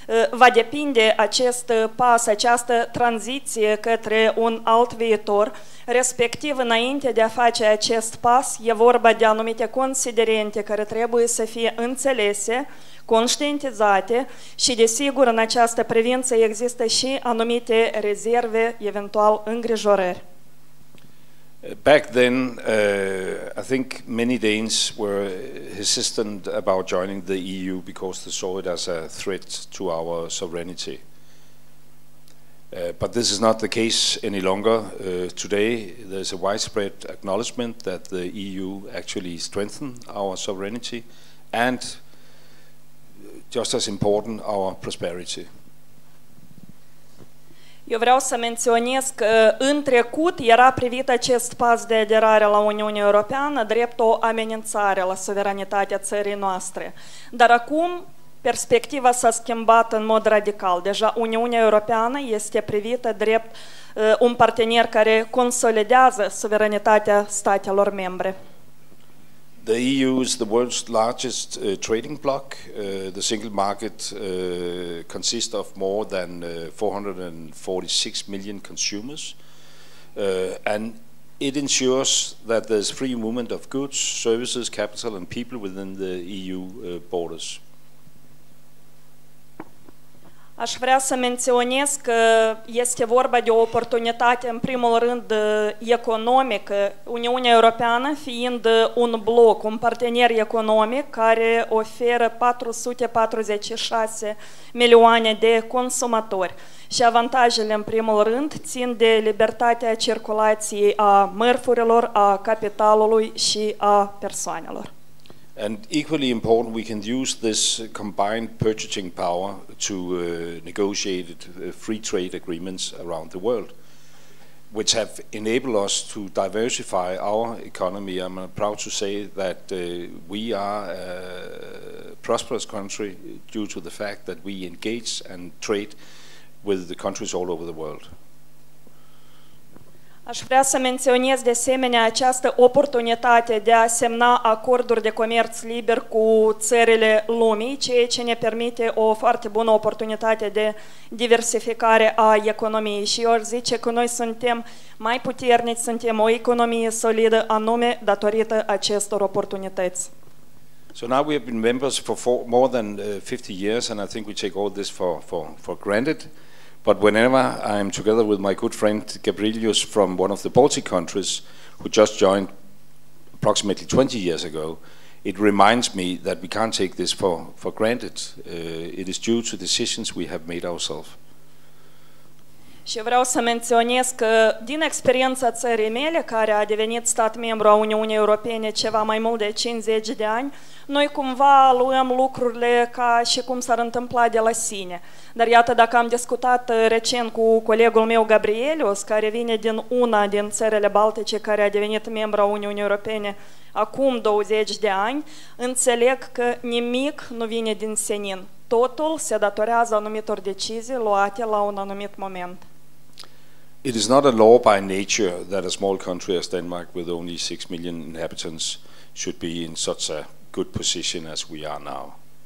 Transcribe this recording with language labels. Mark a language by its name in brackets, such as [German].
[Romanian] va depinde acest pas, această tranziție către un alt viitor, respectiv înainte de a face acest pas e vorba de anumite considerente care trebuie să fie înțelese, conștientizate și desigur în această privință există și anumite rezerve, eventual îngrijorări. [English] Back then, I think many Danes were hesitant about joining the EU because they saw it as a threat to our sovereignty. But this is not the case any longer. Today, there's a widespread acknowledgement that the EU actually strengthened our sovereignty and, just as important, our prosperity. [Romanian] Eu vreau să menționez că în trecut era privit acest pas de aderare la Uniunea Europeană drept o amenințare la suveranitatea țării noastre. Dar acum perspectiva s-a schimbat în mod radical. Deja Uniunea Europeană este privită drept un partener care consolidează suveranitatea statelor membre. [English] The EU is the world's largest trading bloc. The single market consists of more than 446 million consumers. And it ensures that there's free movement of goods, services, capital and people within the EU borders. [Romanian] Aș vrea să menționez că este vorba de o oportunitate, în primul rând, economică. Uniunea Europeană fiind un bloc, un partener economic, care oferă 446 milioane de consumatori. Și avantajele, în primul rând, țin de libertatea circulației a mărfurilor, a capitalului și a persoanelor. [English] And equally important, we can use this combined purchasing power to negotiate free trade agreements around the world, which have enabled us to diversify our economy. I'm proud to say that we are a prosperous country due to the fact that we engage and trade with the countries all over the world. [Romanian] Aș vrea să menționez de asemenea această oportunitate de a semna acorduri de comerț liber cu țările lumii, ceea ce ne permite o foarte bună oportunitate de diversificare a economiei. Și eu zice că noi suntem mai puternici, suntem o economie solidă, anume datorită acestor oportunități. [English] So now we have been members for more than 50 years and I think we take all this for granted. But whenever I am together with my good friend Gabrielius from one of the Baltic countries who just joined approximately 20 years ago, it reminds me that we can't take this for granted. It is due to decisions we have made ourselves. [Romanian] Și vreau să menționez că din experiența țării mele, care a devenit stat membru a Uniunii Europene ceva mai mult de 50 de ani, noi cumva luăm lucrurile ca și cum s-ar întâmpla de la sine. Dar iată, dacă am discutat recent cu colegul meu Gabrielius, care vine din una din țările baltice care a devenit membru a Uniunii Europene acum 20 de ani, înțeleg că nimic nu vine din senin. Totul se datorează anumitor decizii luate la un anumit moment. [English] It is not a law by nature that a small country as Denmark with only 6 million inhabitants should be in such a good position as we are now.